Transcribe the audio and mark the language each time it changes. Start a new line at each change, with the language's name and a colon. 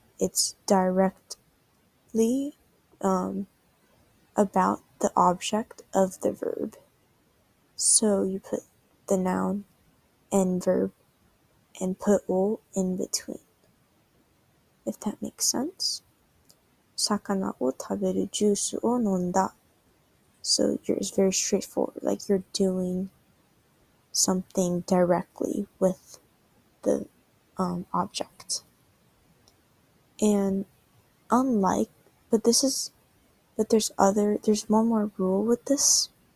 English: It's directly, about the object of the verb. So you put the noun and verb and put を in between. If that makes sense.
Japanese: 魚を食べるジュースを飲んだ。
English: So it's very straightforward, like you're doing something directly with the object. And unlike, there's one more rule with this.